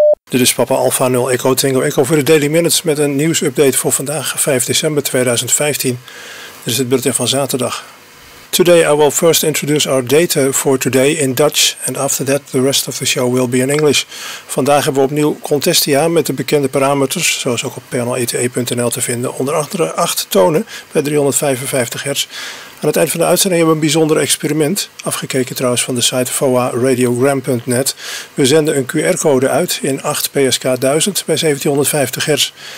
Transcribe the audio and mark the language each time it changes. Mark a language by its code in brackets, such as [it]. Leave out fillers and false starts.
[nl] Dit is Papa Alpha 0 Echo Tango Echo voor de Daily Minutes met een nieuwsupdate voor vandaag, 5 december 2015. Dit is het bulletin van zaterdag. [en] Today I will first introduce our data for today in Dutch and after that the rest of the show will be in English. [nl] Vandaag hebben we opnieuw Contestia met de bekende parameters, zoals ook op panelete.nl te vinden, onder andere 8 tonen bij 355 Hz. Aan het eind van de uitzending hebben we een bijzonder experiment, afgekeken trouwens van de site foa-radiogram.net. We zenden een QR-code uit in 8 PSK 1000 bij 1750 Hz.